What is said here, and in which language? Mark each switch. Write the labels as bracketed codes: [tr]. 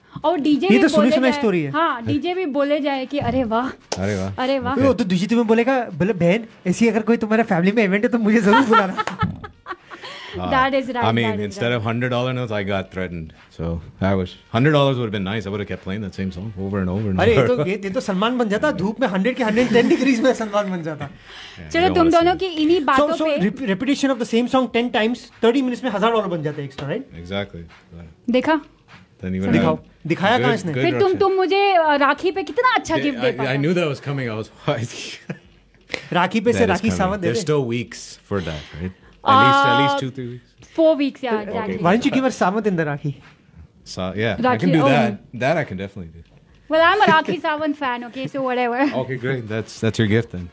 [hi] और डीजे ये तो सुनी सुनाई स्टोरी है। हाँ, डीजे भी बोले जाए कि अरे वाह तो दूजी तुम्हें बोलेगा बोले बहन ऐसी अगर कोई तुम्हारे फैमिली में इवेंट है तो मुझे जरूर बुलाना। [en] That is right. I mean, instead of $100 notes, I got threatened. So I wish $100 would have been nice. I would have kept playing that same song over and over and over. [hi] अरे ये तो सलमान बन जाता धूप में 100 के 110 degrees में सलमान बन जाता। चलो तुम दोनों की इन्हीं बातों पे। [en] So repetition of the same song 10 times 30 minutes [hi] में $1,000 बन जाता [en] extra, right? Exactly. [hi] देखा? दिखाओ दिखाया कहाँ इसने फिर तुम मुझे राखी पे कितना अच्छा गिफ्ट दे पाओ [en] I knew that was coming I was [hi] राखी पे से Rakhi Sawant [en] there's still weeks for that right at least 2-3 weeks 4 weeks yeah exactly okay. Why don't you give her Sawant in the Rakhi so yeah Rakhi, I can do oh. that I can definitely do well I'm a Rakhi Sawant fan okay so whatever okay great that's your gift then